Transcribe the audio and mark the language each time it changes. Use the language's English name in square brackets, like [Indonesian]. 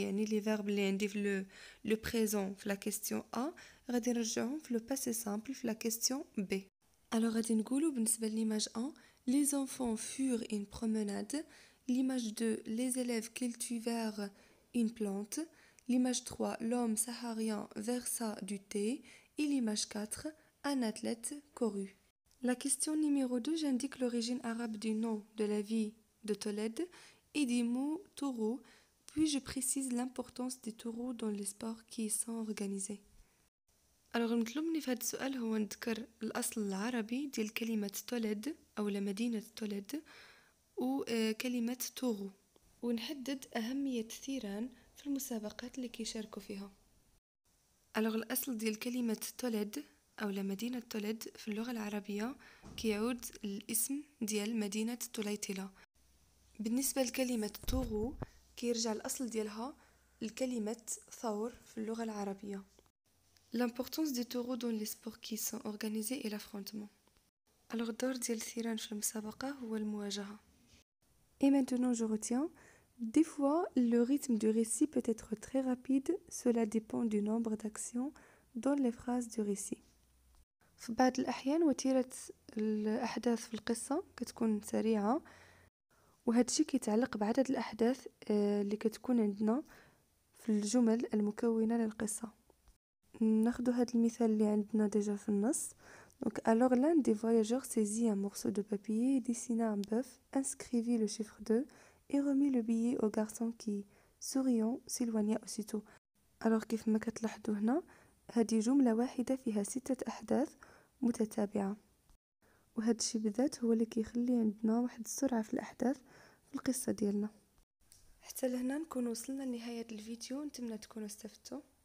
[French] يعني les verbes [Arabic] اللي عندي في [French] le présent في la question A [Arabic] غادي نرجعهم في [French] le passé simple في la question B. Alors, [Arabic] غادي نقولوا بالنسبة للإيماج [French] 1 les enfants furent une promenade. L'image 2 les élèves cultivèrent une plante. L'image 3, l'homme saharien versa du thé. Et l'image 4, un athlète courut. La question numéro 2, j'indique l'origine arabe du nom de la ville de Tolède et des mots taureaux. Puis je précise l'importance des taureaux dans les sports qui y sont organisés. Alors, je vais vous demander de vous indiquer l'origine arabe de la ville de Tolède ou la ville de Tolède ou la ville de taureaux. [Arabic] ونحدد أهمية الثيران في المسابقات اللي كيشاركوا فيها. Alors الأصل ديال كلمة تولد أو لمدينة تولد في اللغة العربية كيعود الاسم ديال مدينة تولايتلا. بالنسبة لكلمة تورو كيرجع الأصل ديالها الكلمة ثور في اللغة العربية؟ [French] L'importance des taureaux dans les sports qui sont organisés et l'affrontement. [Arabic] Alors, دور ديال الثيران في المسابقة هو المواجهة. [French] Et maintenant, je retiens. Des fois, le rythme du récit peut être très rapide. Cela dépend du nombre d'actions dans les phrases du récit. [Arabic] في بعض الأحيان وتيرة الأحداث في القصة كتكون سريعة وهذا الشيء كيتعلق بعدد الأحداث اللي كتكون عندنا في الجمل المكونة للقصة. ناخذ هذا المثال اللي عندنا ديجا في النص. [French] Donc alors l'un des voyageurs saisit un morceau de papier, dessina un bœuf, inscrivit le chiffre 2 et remit le billet au garçon qui, souriant, s'éloigna aussitôt. [Arabic] Alors كيف ما كتلاحظوا هنا هذه جملة واحدة فيها ستة أحداث متتابعة وهذا الشيء بالذات هو اللي كيخلي عندنا واحد السرعة في الأحداث في القصة ديالنا. حتى لهنا نكون وصلنا لنهاية الفيديو، نتمنى تكونوا استفدتوا.